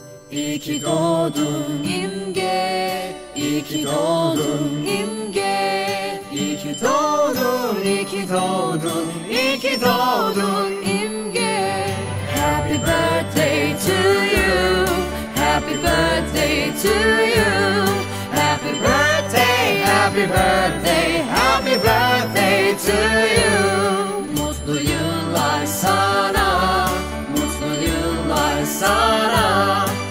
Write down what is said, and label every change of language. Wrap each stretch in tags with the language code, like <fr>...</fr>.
<tr>İyi ki doğdun İmge, iyi ki doğdun İmge, iyi ki doğdun, iyi ki doğdun, iyi ki doğdun İmge.</tr> <en>Happy birthday to you, happy birthday to you, happy birthday, happy birthday, happy birthday to you.</en> <tr>Mutlu yıllar sana, mutlu yıllar sana.</tr>